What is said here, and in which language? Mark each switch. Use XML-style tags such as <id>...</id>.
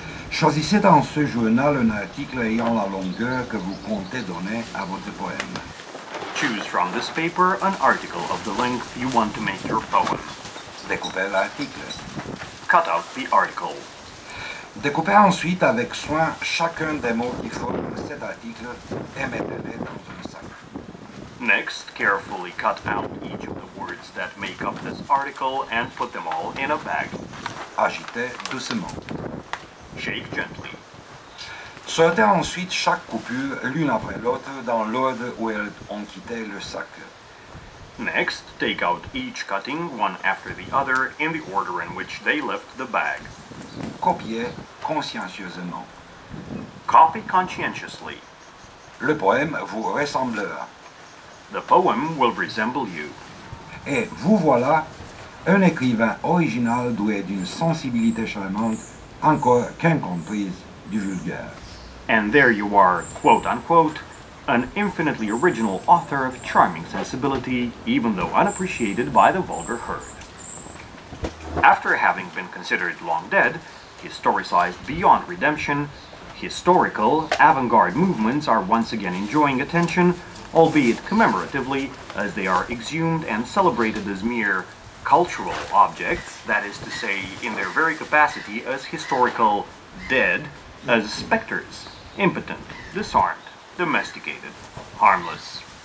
<fr>Choisissez dans ce journal un article ayant la longueur que vous comptez donner à votre poème.</fr> <en>Choose from this paper an article of the length you want to make your poem.</en> <fr>Découpez l'article.</fr> <en>Cut out the article.</en> <fr>Découpez ensuite avec soin chacun des mots qui forment cet article et mettez-les dans un sac.</fr> <en>Next, carefully cut out each of the words. words that make up this article and put them all in a bag.</en> <fr>Agitez doucement.</fr> <en>Shake gently.</en> <fr>Sortez ensuite chaque coupure l'une après l'autre dans l'ordre où elles ont quitté le sac.</fr> <en>Next, take out each cutting one after the other in the order in which they left the bag.</en> <fr>Copiez consciencieusement.</fr> <en>Copy conscientiously.</en> <fr>Le poème vous ressemblera.</fr> <en>The poem will resemble you.</en> <fr>Et vous voilà, un écrivain original doué d'une sensibilité charmante, encore qu'incomprise du vulgaire.</fr> <en>And there you are, quote unquote, an infinitely original author of charming sensibility, even though unappreciated by the vulgar herd. After having been considered long dead, historicized beyond redemption, historical avant-garde movements are once again enjoying attention, albeit commemoratively, as they are exhumed and celebrated as mere cultural objects, that is to say, in their very capacity as historical dead, as specters, impotent, disarmed, domesticated, harmless.</en>